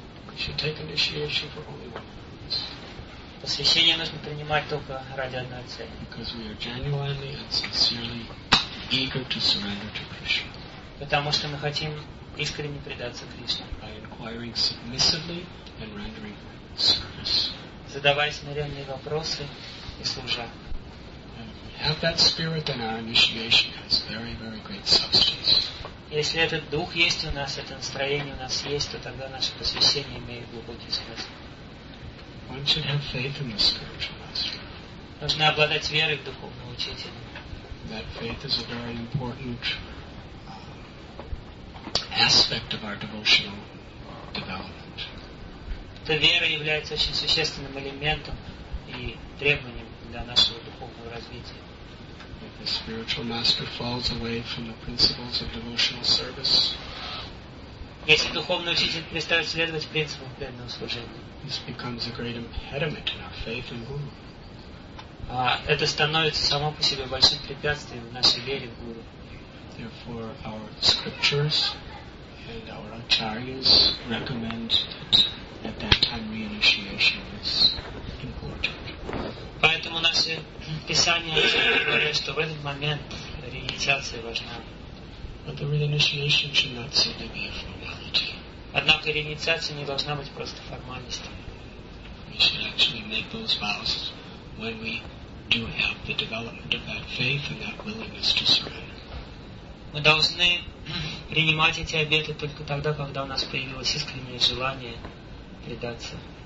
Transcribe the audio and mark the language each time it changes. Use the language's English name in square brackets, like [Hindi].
[English] We should take initiation for only one purpose. [Russian] Посвящение нужно принимать только ради одной цели. [English] Because we are genuinely and sincerely eager to surrender to Krishna. [Russian] Потому что мы хотим искренне предаться Кришне. [English] By an inquiring submissively and rendering service. [Russian] Задавай смиренные вопросы и служа. [English] Have that spirit, then our initiation has very, very great substance. [Russian] Если этот дух есть у нас, это настроение у нас есть, то тогда наше посвящение имеет глубокий смысл. [English] One should have faith in the spiritual master. [Russian] Нужно обладать верой в духовного учителя. [English] That faith is a very important aspect of our devotional development. [Russian] Эта вера является очень существенным элементом и требованием для нашего духовного развития. [English] If the spiritual master falls away from the principles of devotional service, [Russian] если духовный учитель перестает следовать принципам преданного служения, [English] this becomes a great impediment in our faith in Guru. [Russian] Это становится само по себе большим препятствием в нашей вере в Гуру. [English] Therefore, our scriptures and our acharyas recommend that at that time reinitiation is important. [Russian] Поэтому наши писания говорят, что в этот момент реинициация важна. [English] But the reinitiation should not simply be a formality. [Russian] Однако реинициация не должна быть просто формальностью. [English] We should actually make those vows when we do have the development of that faith and that willingness to surrender. [Russian] Мы должны принимать эти обеты только тогда, когда у нас появилось искреннее желание предаться.